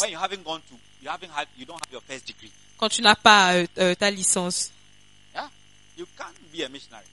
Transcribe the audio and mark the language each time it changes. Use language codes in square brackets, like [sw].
[en] When you haven't gone to, you haven't had, you don't have your first degree. [fr] Quand tu n'as pas ta licence, [en] yeah, you can't be a missionary.